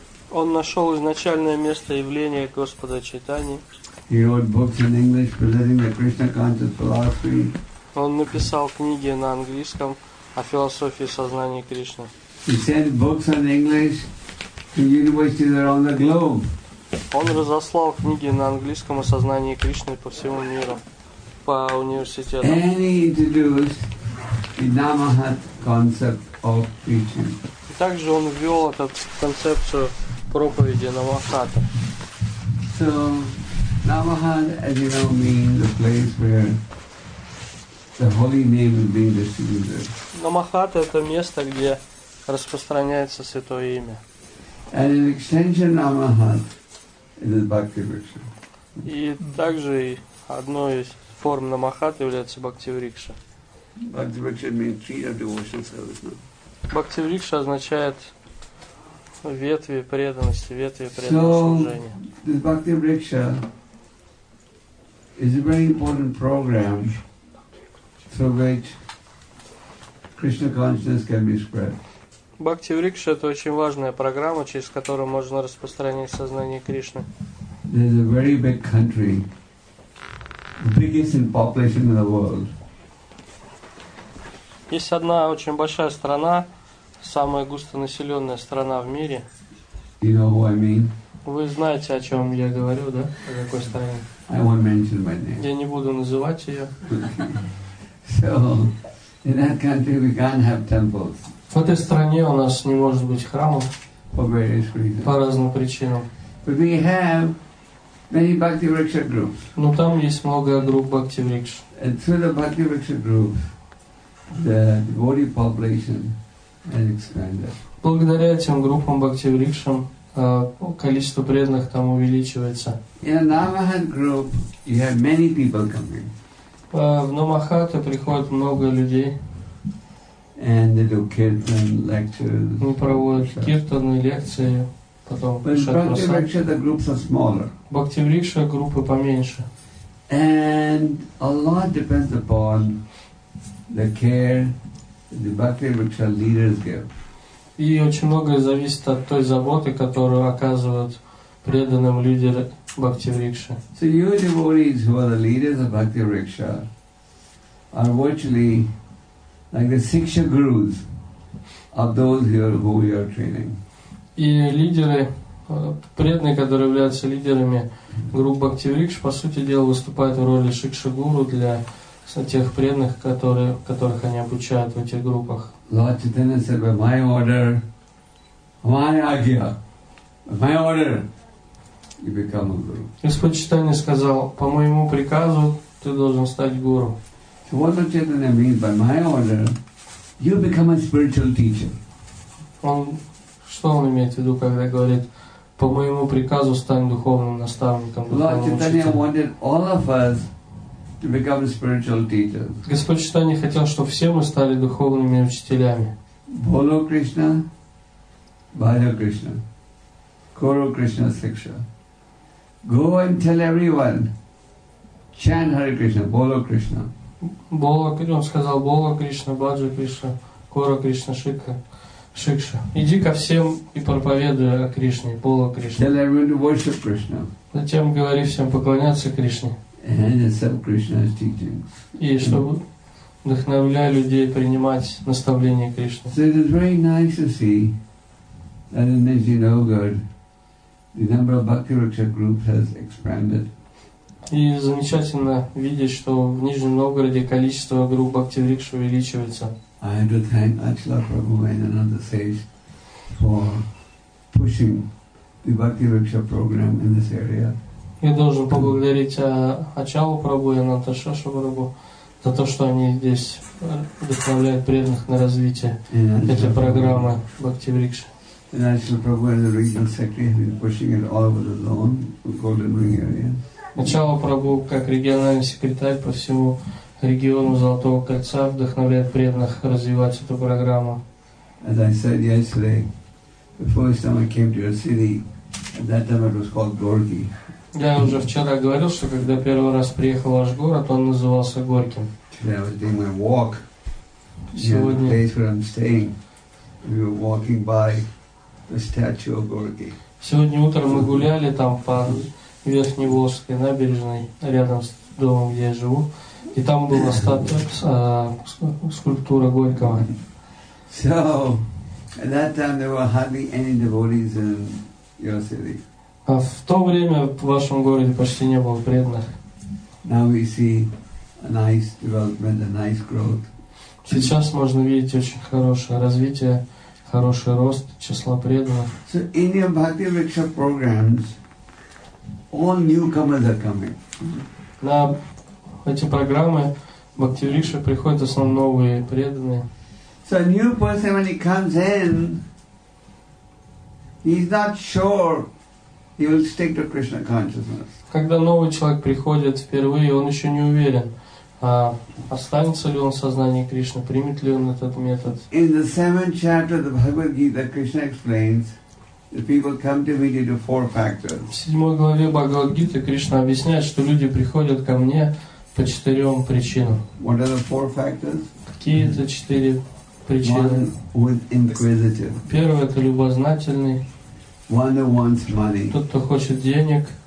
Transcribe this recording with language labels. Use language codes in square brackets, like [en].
[ru] Он нашел изначальное место явления Господа Чайтани. [en] He wrote books in English presenting the Krishna conscious philosophy. [ru] Он написал книги на английском о философии сознания Кришны. [en] He sent books in English to universities around the globe. [ru] Он разослал книги на английском о сознании Кришны по всему миру, по университетам. [en] And he introduced the Namahat concept of preaching. [ru] И также он ввел эту концепцию проповеди Намахата. [en] So, Namahat, as you know, means the place where the holy name is being distributed. [ru] Намахат – это место, где распространяется святое имя. [en] And an extension of Namahat is Bhakti Riksha. [ru] И также одной из форм Намахат является Bhakti Riksha. [en] Bhakti Riksha means tree of devotion service. [ru] Bhakti Riksha означает ветви преданности, ветви преданности. [en] So, Bhakti Riksha is a very important program through which Krishna consciousness can be spread. [ru] Bhakti Vriksha – это очень важная программа, через которую можно распространить сознание Кришны. [en] There's a very big country, the biggest in population in the world. [ru] Есть одна очень большая страна, самая густонаселенная страна в мире. [en] You know who I mean? [ru] Вы знаете, о чем я говорю, да? О какой стране? [en] I won't mention my name. [ru] Я не буду называть ее. [en] So, in that country we can't have temples. [ru] В этой стране у нас не может быть храмов [en] for various reasons. [ru] По разным причинам. [en] But we have many Bhakti Riksha groups. [ru] Но там есть много групп Bhakti Riksha. [en] And through the Bhakti Riksha groups, the devotee population has expanded. [ru] Благодаря этим группам Bhakti Riksha количество преданных там увеличивается. [en] In a Namahat group, you have many people coming. [ru] В Намахате приходит много людей. [en] And they do kirtan lectures. [ru] Мы проводим киртаны, лекции, потом. [en] But in Bhakti Riksha, the groups are smaller. [ru] Bhakti Riksha группы поменьше. [en] And a lot depends upon the care the Bhakti Riksha leaders give. [ru] И очень многое зависит от той заботы, которую оказывают преданным лидеры Bhakti Riksha. [en] So you devotees who are the leaders of Bhakti Riksha are virtually like the siksha gurus of those here who you are training. [ru] И лидеры, преданные, которые являются лидерами группы Bhakti Riksha, по сути дела, выступают в роли сикша гуру для тех преданных, которых они обучают в этих группах. [en] Lord Chaitanya said, by my order, my agya, my order, you become a guru. [ru] Господь Чайтанья сказал, по моему приказу ты должен стать гуру. [en] So what Lord Chaitanya means, by my order, you become a spiritual teacher. [ru] Он, что он имеет в виду, когда говорит, по моему приказу стань духовным наставником, духовным [en] Lord Chaitanya wanted all of us to become spiritual teachers. [ru] Господь Чайтанья хотел, чтобы все мы стали духовными учителями. [sa] Боло Кришна, Бхаджа Кришна, Куру Кришна Сикша. [en] Go and tell everyone chant Hare Krishna, [sa] Bolo Krishna. Bolo, [ru] он сказал, [sa] Bolo Krishna, Bhaja Krishna, Kora Krishna, Shikha, Shiksha. [ru] Иди ко всем и проповедуй о Кришне, [sa] Bolo Krishna. [en] Tell everyone to worship Krishna. [ru] Затем говори всем поклоняться Кришне. [en] And accept Krishna's teachings. [ru] И чтобы вдохновляя людей принимать наставления Кришны. [en] So it is very nice to see that in Nizhinogod the number of Bhakti Raksha groups has expanded. [ru] И замечательно видеть, что в Нижнем Новгороде количество групп Бхакти Вриксы увеличивается. [en] I have to thank Achala Prabhu and another sage for pushing the Bhakti Raksha program in this area. [ru] Я должен поблагодарить Ачалу Прабху и Наташашу Прабху за то, что они здесь вдохновляют преданных на развитие этой программы Бхакти Вриксы. [en] And Ачала Прабху as a regional secretary has been pushing it all over the zone, the Golden Ring area. [ru] Ачала Прабху как региональный секретарь по всему региону Золотого Кольца вдохновляет преданных развивать эту программу. [en] As I said yesterday, the first time I came to your city, at that time it was called Gorki. [ru] Я уже вчера говорил, что когда первый раз приехал в ваш город, он назывался Горьким. [en] Today I was doing my walk. [ru] Сегодня [en] the place where I'm staying. We were walking by the statue of Gorky. [ru] Сегодня утром мы гуляли там по Верхней Волжской набережной, рядом с домом, где я живу. И там была статуя, скульптура Горького. [en] So, at that time there were hardly any devotees in your city. [ru] А в то время в вашем городе почти не было преданных. [en] Now we see a nice development, a nice growth. [ru] Сейчас можно видеть очень хорошее развитие, хороший рост числа преданных. [en] So Indian Bhakti Raksha programs, all newcomers are coming. [ru] На эти программы Bhakti Raksha приходят в основном новые преданные. [en] So a new person when he comes in, he's not sure. He will stick to Krishna consciousness. [ru] Когда новый человек приходит впервые, он еще не уверен, останется ли он в сознании Кришны, примет ли он этот метод. [en] In the seventh chapter of the Bhagavad Gita, Krishna explains that people come to me due to four factors. [ru] В седьмой главе Бхагавад Гиты Кришна объясняет, что люди приходят ко мне по четырем причинам. [en] What are the four factors? [ru] Какие это четыре причины? [en] One is inquisitive. [ru] Первое — это любознательный. [en] One who wants money. [ru] Тот, кто хочет денег.